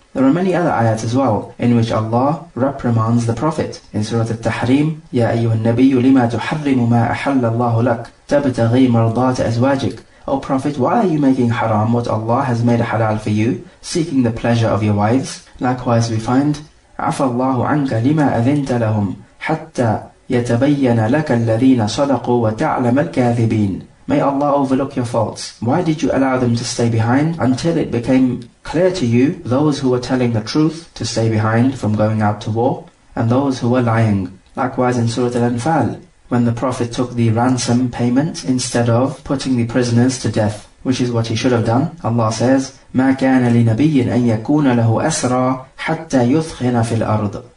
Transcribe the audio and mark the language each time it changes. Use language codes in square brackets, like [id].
[en] There are many other ayats as well in which Allah reprimands the Prophet. In Surah Al-Tahrim, [ar] يَا أَيُّهَا النَّبِيُّ لِمَا تُحَرِّمُ مَا أَحَلَّ اللَّهُ لَكَ تَبْتَغِي مَرْضَاتَ أَزْوَاجِكَ. [en] O Prophet, why are you making haram what Allah has made halal for you, seeking the pleasure of your wives? Likewise we find, [ar] عَفَى اللَّهُ عَنْكَ لِمَا أَذِنْتَ لَهُمْ حَتَّى يَتَبَيَّنَ لَكَ الَّذِينَ صَدَقُوا وَتَعْلَمَ الْكَاذِبِينَ. [en] May Allah overlook your faults. Why did you allow them to stay behind until it became clear to you those who were telling the truth to stay behind from going out to war and those who were lying? Likewise in Surah Al-Anfal, when the Prophet took the ransom payment instead of putting the prisoners to death, which is what he should have done, Allah says, [ar] مَا كَانَ لِنَبِيٍ أَن يَكُونَ لَهُ أَسْرَى حَتَّى يُثْخِنَ فِي الْأَرْضِ.